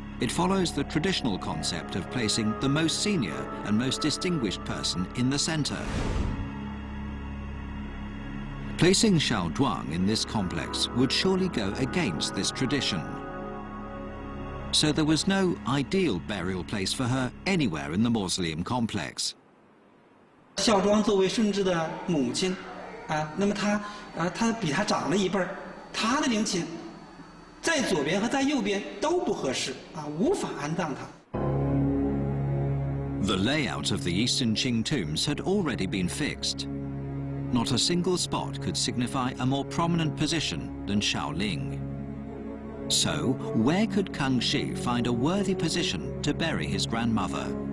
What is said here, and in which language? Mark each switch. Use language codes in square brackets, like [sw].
[en] It follows the traditional concept of placing the most senior and most distinguished person in the center. Placing Xiao Duan in this complex would surely go against this tradition. So there was no ideal burial place for her anywhere in the mausoleum complex. [zh] Xiao Duan 作为顺治的母亲，啊，那么她，啊，她比她长了一辈儿，她的陵寝在左边和在右边都不合适，啊，无法安葬她。 [en] The layout of the Eastern Qing tombs had already been fixed. Not a single spot could signify a more prominent position than Shaoling. So, where could Kangxi find a worthy position to bury his grandmother?